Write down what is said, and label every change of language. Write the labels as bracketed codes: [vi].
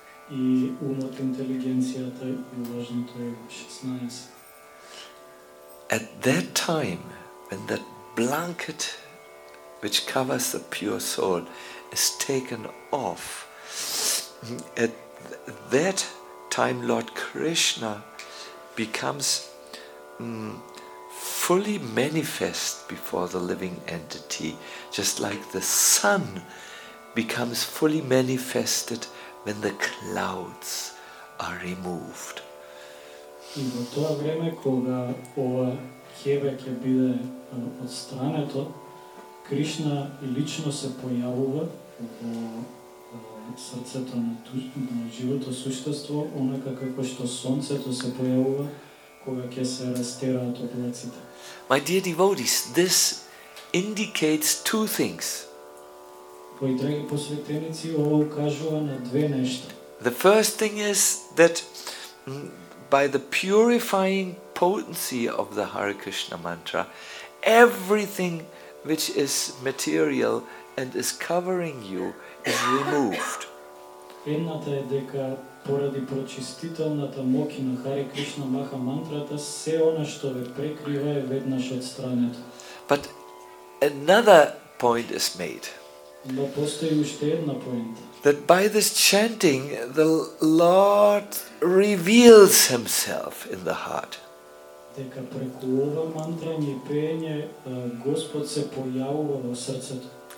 [mk] И умот, интелигенцијата и уважното е 16. [en] At that time, when that blanket which covers the pure soul is taken off, at that time Lord Krishna becomes fully manifest before the living entity, just like the sun becomes fully manifested when the clouds are removed. [mk] И во тоа време кога ова ќебе ќе биде отстрането, Кришна лично се појавува во срцето на живото суштество, онака како што сонцето се појавува кога ќе се растераат облаците. [en] My dear devotees, this indicates two things. The first thing is that by the purifying potency of the Hare Krishna mantra, everything which is material and is covering you is removed. [mk] Едната е дека поради прочистителната моки на Хари Кришна Маха мантрата се она што ве прекрива е веднаш отстрането. [en] But another point is made. [mk] Но постои уште една поента. [en] That by this chanting the Lord reveals himself in the heart. [mk] Дека преку ова мантра ни пење Господ се појавува во срцето.